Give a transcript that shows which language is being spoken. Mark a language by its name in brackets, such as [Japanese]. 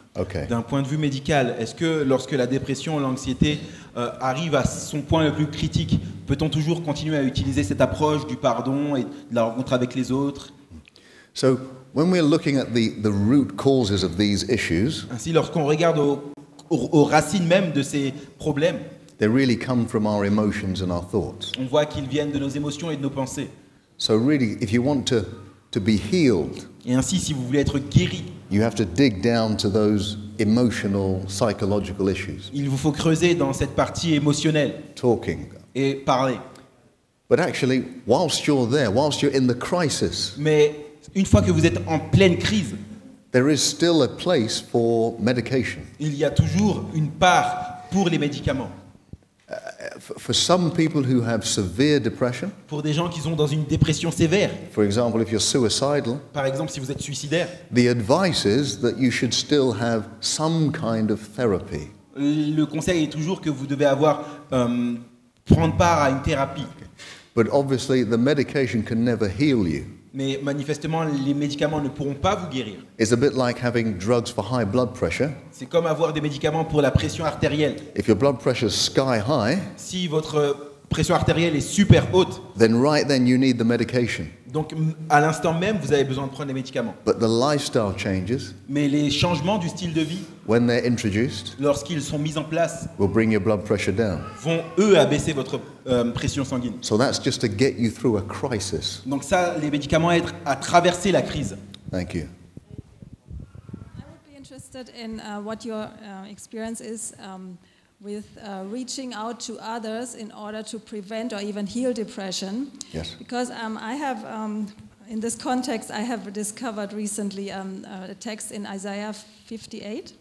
[English] Okay. [French] D'un point de vue médical, est-ce que lorsque la dépression ou l'anxiété arrive à son point le plus critique, peut-on toujours continuer à utiliser cette approche du pardon et de la rencontre avec les autres? [English] So, when we're looking at the root causes of these issues, [French] ainsi, lorsqu'on regarde aux racines même de ces problèmes, [English] they really come from our emotions and our thoughts. [French] On voit qu'ils viennent de nos émotions et de nos pensées. [English] So really, if you want to be healed, [French] et ainsi, si vous voulez être guéri, [English] you have to dig down to those emotional, psychological issues. [French] Il vous faut creuser dans cette partie émotionnelle. [English] Talking. [French] Et parler. [English] But actually, whilst you're there, whilst you're in the crisis, [French] mais une fois que vous êtes en pleine crise, [English] there is still a place for medication. [French] Il y a toujours une part pour les médicaments. [English] For some people who have severe depression, [French] pour des gens qui sont dans une dépression sévère, [English] for example, if you're suicidal, [French] par exemple si vous êtes suicidaire, [English] the advice is that you should still have some kind of therapy. [French] Le conseil est toujours que vous devez avoir prendre part à une thérapie. [English] Okay. But obviously the medication can never heal you. [French] Mais manifestement les médicaments ne pourront pas vous guérir. [English] It's a bit like having drugs for high blood pressure. [French] C'est comme avoir des médicaments pour la pression artérielle. [English] If your blood pressure is sky high, [French] si votre pression artérielle est super haute, [English] then right then you need the medication. [French] Donc à l'instant même vous avez besoin de prendre les médicaments. [English] But the lifestyle changes, [French] mais les changements du style de vie, [English] when they're introduced, [French] lorsqu'ils sont mis en place, [English] will bring your blood pressure down. [French] Vont eux abaisser votre pression sanguine. [English] So that's just to get you through a crisis. [French] Donc ça, les médicaments aident à traverser la crise. [English] Thank you. I would be interested in what your experience is with reaching out to others in order to prevent or even heal depression. Yes. Because I have, in this context, I have discovered recently a text in Isaiah 58.